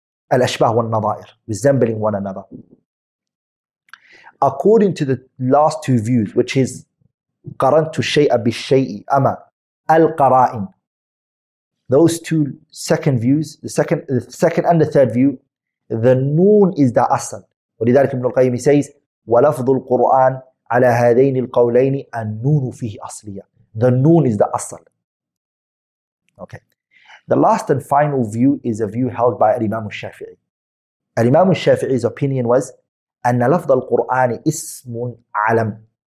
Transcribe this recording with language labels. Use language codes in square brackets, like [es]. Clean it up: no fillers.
[en] Al-ashbah wal-nadair, resembling one another. According to the last two views, which is [ar] قَرَنْتُ الشَّيْءَ بِالشَّيْءِ أَمَا [en] al-qara'in. Those two second views, the second and the third view, the noon is the asal. [ar] ولذلك ابن القيم [en] says [ar] ولفظ القرآن على هذين القولين النون فيه أصلية. [en] The noon is the asal. Okay. The last and final view is a view held by Imam Shafi'i. Imam Shafi'i's opinion was [ar] أن لفظ القرآن اسم علم.